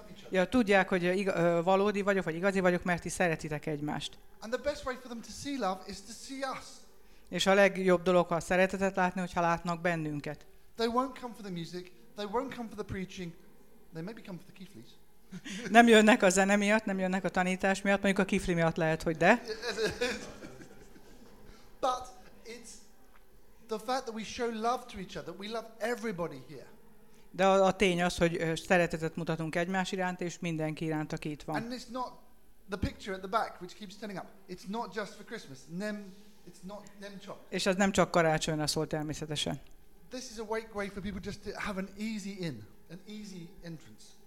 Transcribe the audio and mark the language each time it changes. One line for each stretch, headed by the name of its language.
Hungarian: Ja, tudják, hogy valódi vagyok, vagy igazi vagyok, mert ti szeretitek egymást.
English: And the best way for them to see love is to see us.
Hungarian: És a legjobb dolog a szeretetet látni, hogyha látnak bennünket.
English: They won't come for the music, they won't come for the preaching, they maybe come for the Keefleys.
Hungarian: Nem jönnek a zene miatt, nem jönnek a tanítás miatt, mondjuk a kifli miatt lehet, hogy de.
English: But it's the fact that we show love to each other, we love everybody here.
Hungarian: De a tény az, hogy szeretetet mutatunk egymás iránt és mindenki iránt, aki itt van.
English: And it's not the picture at the back which keeps turning up. It's not just for Christmas. It's not
Hungarian: nem csak. És az nem csak karácsonyra szól természetesen.
English: This is a great way for people just to have an easy entrance.